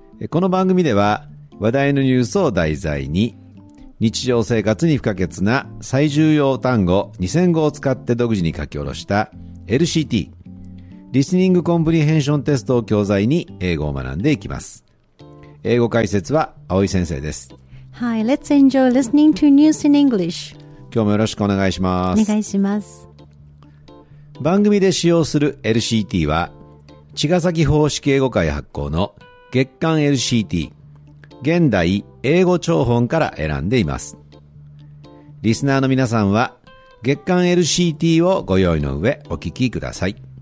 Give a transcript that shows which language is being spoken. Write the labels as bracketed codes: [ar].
[ja] この番組では話題のニュースを題材に、日常生活に不可欠な最重要単語2000語を使って独自に書き下ろした LCT リスニングコンプリヘンションテストを教材に英語を学んでいきます。英語解説は青井先生です。 [en] Hi, let's enjoy listening to news in English. [ja] 今日もよろしくお願いします。お願いします。番組で使用する LCT は茅ヶ崎方式英語会発行の月刊 LCT 現代英語聴本から選んでいます。リスナーの皆さんは月刊 LCT をご用意の上お聞きください。